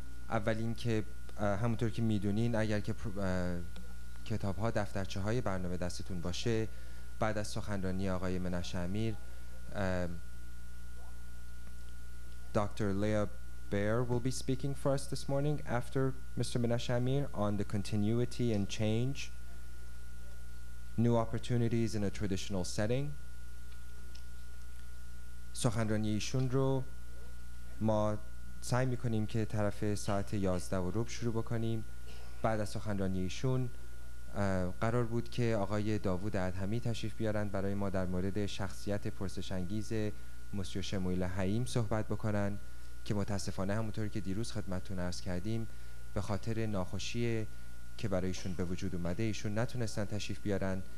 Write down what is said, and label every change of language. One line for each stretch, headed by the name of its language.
Persian: اولین که همونطور که میدونین، اگر که کتاب ها دفترچه های برنامه دستتون باشه، بعد از سخنرانی آقای منشه امیر، دکتر لیا بیر
English: will be speaking for us this morning after Mr. Menashe Amir on the continuity and change, new opportunities in a traditional setting.
Persian: سخنرانی ایشون رو ما سعی میکنیم که طرف ساعت 11:30 شروع بکنیم. بعد از سخنرانی ایشون قرار بود که آقای داوود ادهمی تشریف بیارن برای ما در مورد شخصیت پرسش انگیز موسیو شموئیل حییم صحبت بکنن، که متاسفانه همونطور که دیروز خدمتتون عرض کردیم به خاطر ناخوشی که برای ایشون به وجود اومده ایشون نتونستن تشریف بیارن.